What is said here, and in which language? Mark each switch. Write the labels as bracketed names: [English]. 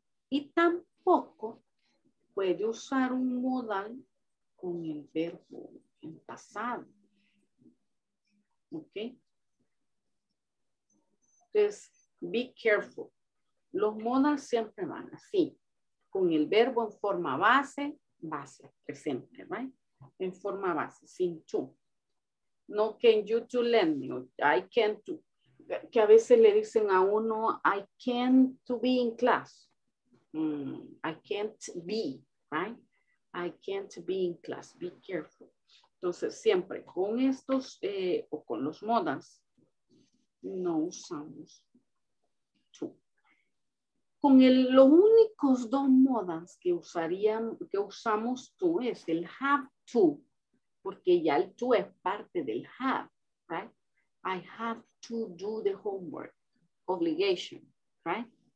[Spanish] Y tampoco puede usar un modal con el verbo en pasado. Okay. Entonces, [English] be careful. [Spanish] Los modals siempre van así, con el verbo en forma base, base, presente, right? En forma base, sin to. [English] No can you to lend me, I can to. [Spanish] Que a veces le dicen a uno, [English] I can to be in class. I can't be, right? I can't be in class, be careful. [Spanish] Entonces, siempre con estos o con los modas, no usamos to. Con los únicos dos modas que usarían, que usamos to, es el have to, porque ya el to es parte del have, right? [English] I have to do the homework, obligation, right?